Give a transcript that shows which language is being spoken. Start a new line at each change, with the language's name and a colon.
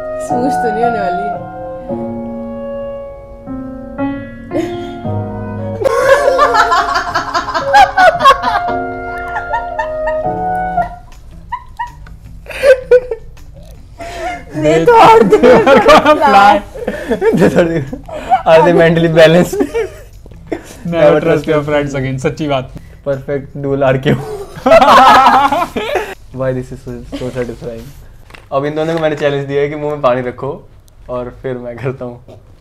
Hindi: Smooth तो नहीं होने वाली है तो और दिमाग का fly
English: Are they mentally balanced? Never trust your friends again.
Hindi: सच्ची बात.
English: Perfect dual RKO. Why this is so satisfying?
Hindi: अब इन दोनों को मैंने चैलेंज दिया है कि मुंह में पानी रखो और फिर मैं करता हूँ.